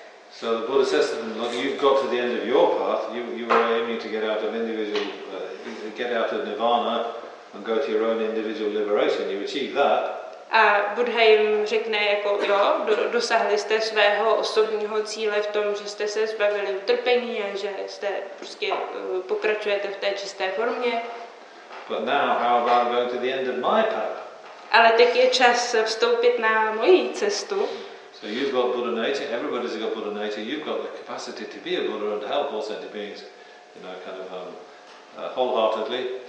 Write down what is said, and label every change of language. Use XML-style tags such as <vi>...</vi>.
<en>So the Buddha says to them, look, you've got to the end of your path. You are aiming to get out of individual, get out of nirvana and go to your own individual liberation. You achieve that.</en> <cs>A Buddha jim řekne, jako jo, dosáhli jste svého osobního cíle v tom, že jste se zbavili utrpení a že jste prostě pokračujete v té čisté formě.</cs> <en>But now, how about going to the end of my path?</en> <cs>Ale teď je čas vstoupit na moji cestu.</cs> <en>So you've got Buddha nature, everybody's got Buddha nature, you've got the capacity to be a Buddha and to help all sentient beings, you know, kind of wholeheartedly.</en>